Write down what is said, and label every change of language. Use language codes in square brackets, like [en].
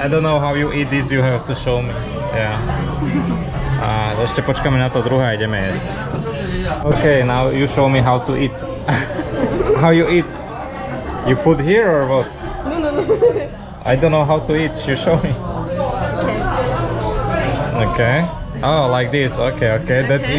[en] I don't know how you eat this, you have to show me. Yeah. [sk] A ešte počkáme na to druhé a ideme jesť. [en] OK, now you show me how to eat. How you eat? You put here or what? No. I don't know how to eat, you show me. OK. Oh, like this, okay, that's okay.